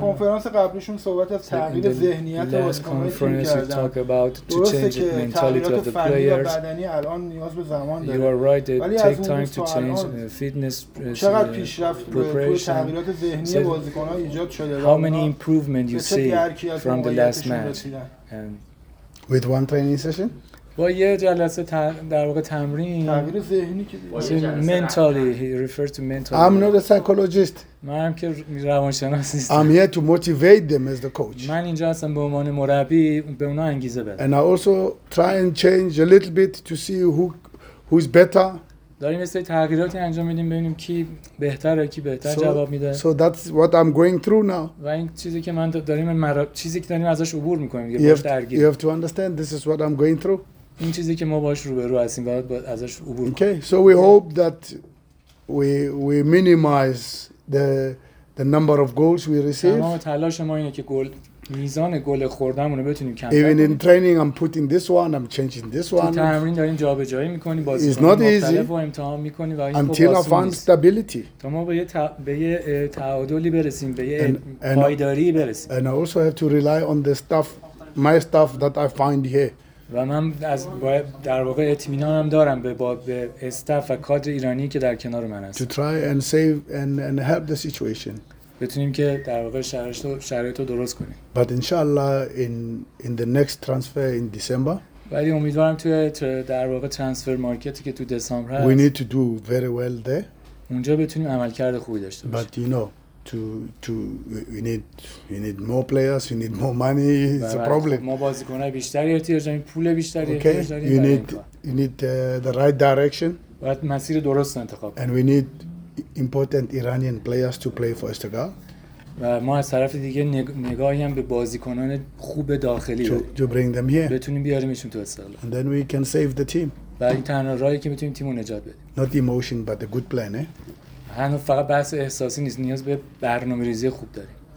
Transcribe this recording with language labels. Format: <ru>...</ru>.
<fa>کنفرانس قبلیشون صحبت از تغییر ذهنیت بازیکن‌ها کرد. درسته که تغییرات فنی و بدنی الان نیاز به زمان داره.</fa> <en>You are right. It take time to change the fitness.</en> <fa>چقدر پیشرفت توی تغییرات ذهنی بازیکن‌ها ایجاد شده؟</fa> <en>How many improvement you see from the last match? With one training session?</en> <fa>با یه جلسه در واقع تمرین. تغییر ذهنی که</fa> <en>mentally he refers to mentally. I'm not a psychologist.</en> <fa>من هم که روانشناس نیستم.</fa> <en>I'm here to motivate them as the coach.</en> <fa>من اینجا هستم به عنوان مربی به اونا انگیزه بدم.</fa> <en>And I also try and change a little bit to see who is better.</en> <fa>داریم سری تغییراتی انجام میدیم ببینیم کی بهتره کی بهتر جواب میده.</fa> <en>So that's what I'm going through now.</en> <fa>و این چیزی که من داریم چیزی که داریم ازش عبور میکنیم دیگه باش درگیر.</fa> <en>You have to understand this is what I'm going through.</en> <fa>این چیزی که ما باش روبرو هستیم باید ازش عبور کنیم.</fa> <en>Okay, so we hope that we minimize the number of goals we receive.</en> <fa>تمام تلاش ما اینه که گل میزان گل خوردنمون رو بتونیم کم کنیم.</fa> <en>Even in training I'm putting this one, I'm changing this one.</en> <fa>تو تمرین داریم جابجایی می‌کنی بازیکن مختلفو امتحان می‌کنی و این خوب باشه.</fa> <en>Until I find stability.</en> <fa>تمام به یه تعادلی برسیم به یه پایداری برسیم.</fa> <en>And I also have to rely on the stuff my stuff that I find here.</en> <fa>و من از در واقع اطمینانم دارم به استاف و کادر ایرانی که در کنار من هست.</fa> <en>To try and save and help the situation.</en> <fa>بتونیم که در واقع شرایط رو درست کنیم.</fa> <en>But inshallah in the next transfer in December.</en> <fa>ولی امیدوارم توی در واقع ترانسفر مارکتی که تو دسامبر هست.</fa> <en>We need to do very well there.</en> <fa>اونجا بتونیم عملکرد خوبی داشته باشیم.</fa> <en>But you know to we need more players, we need more money, it's a problem.</en> <fa>ما بازیکن های بیشتری احتیاج داریم، پول بیشتری احتیاج داریم.</fa> <en>Okay, you need the right direction.</en> <fa>باید مسیر درست انتخاب کنیم.</fa> <en>And we need important Iranian players to play for Istiklal.</en> <fa>و ما از طرف دیگه نگاهی هم به بازیکنان خوب داخلی</fa> <en>to bring them here.</en> <fa>بتونیم بیاریمشون تو استقلال.</fa> <en>And then we can save the team.</en> <fa>و این تنها راهی که میتونیم تیمو نجات بدیم.</fa> <en>Not emotion but a good plan, eh?</en> <fa>هنوز فقط بحث احساسی نیست، نیاز به برنامه ریزی خوب داریم.</fa>